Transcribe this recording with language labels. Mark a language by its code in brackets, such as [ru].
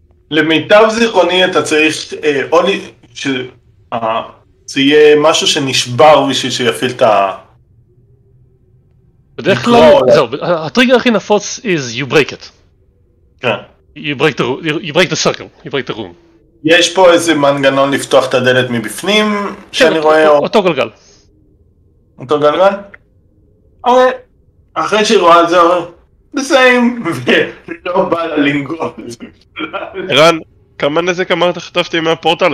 [he] למיטב זיכרוני אתה צריך או שזה יהיה משהו שנשבר בשביל שיפעיל את ה... בדרך כלל, זהו, הטריגר הכי נפוץ [en] is you break it. You break the circle, you break the room. [he] יש פה איזה מנגנון לפתוח את הדלת מבפנים שאני רואה... אותו גלגל. אותו גלגל? אחרי שהיא רואה את זה אומר בסיים, ולא בא לה לנגוע. ערן, כמה נזק אמרת חטפתי מהפורטל?